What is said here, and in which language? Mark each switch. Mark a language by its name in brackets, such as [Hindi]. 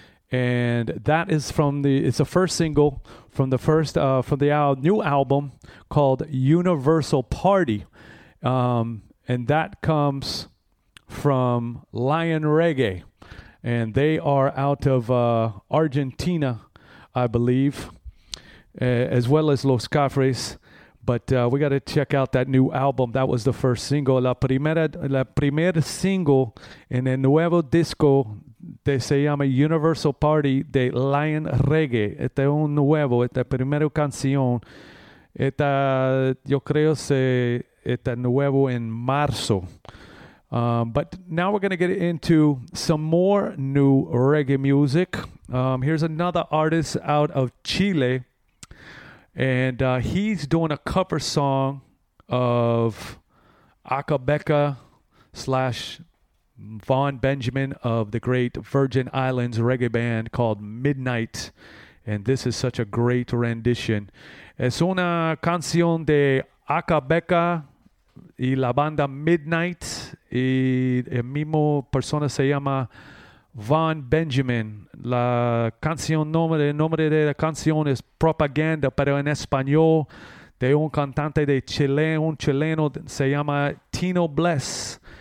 [English] and that is from the, it's the first single from the first from the new album called Universal Party, and that comes from Lion Reggae, and they are out of Argentina, I believe, as well as Los Cafres. But we got to check out that new album. That was the first single. [Spanish] La primera single en el nuevo disco de, se llama Universal Party de Lion Reggae. Este es un nuevo. Esta primera canción. Esta, yo creo, está nuevo en marzo. [English] But now we're going to get into some more new reggae music. Here's another artist out of Chile. And he's doing a cover song of Acapella / Vaughn Benjamin of the great Virgin Islands reggae band called Midnight. And this is such a great rendition. [Spanish] Es una canción de Acapella y la banda Midnight. Y el mismo persona se llama Vaughn Benjamin. La canción, nombre de la canción es Propaganda, pero en español, de un cantante de Chile, un chileno, se llama Tino Bless.